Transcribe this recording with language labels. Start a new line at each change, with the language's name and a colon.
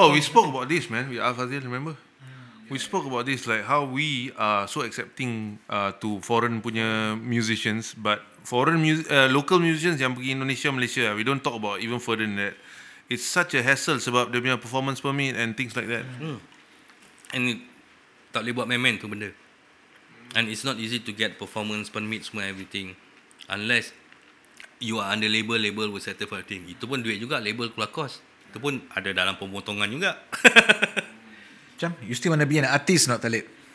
English: Oh, we spoke about this, man. We asked Azil, remember? We spoke about this, like how we are so accepting to foreign punya musicians, but foreign local musicians
Malay: yang pergi
English: Indonesia, Malaysia, we don't talk about even further than that. It's such a hassle
Malay: sebab dia punya
English: performance permit and things like that.
Malay: And tak boleh buat main-main tu benda.
English: And it's not easy to get performance permit semua everything unless you are under label, label will settle for everything.
Malay: Itu pun duit juga, label keluar kos. Itu pun ada dalam pemotongan juga.
English: Cam, you still want to be an artist, not Talib?